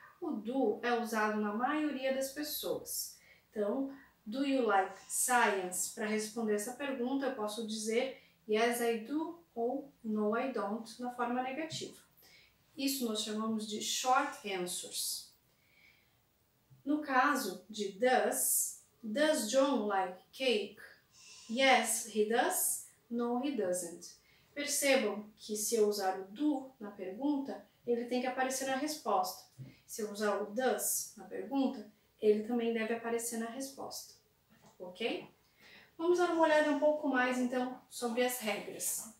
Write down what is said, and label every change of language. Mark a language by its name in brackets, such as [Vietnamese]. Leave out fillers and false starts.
[Portuguese] O do é usado na maioria das pessoas. Então, [English] do you like science? [Portuguese] Para responder essa pergunta, eu posso dizer [English] yes, I do, [Portuguese] ou [English] no, I don't, [Portuguese] na forma negativa. Isso nós chamamos de short answers. No caso de [English] does John like cake? Yes, he does, no, he doesn't. [Portuguese] Percebam que se eu usar o do na pergunta, ele tem que aparecer na resposta. Se eu usar o does na pergunta, ele também deve aparecer na resposta, ok? Vamos dar uma olhada um pouco mais, então, sobre as regras.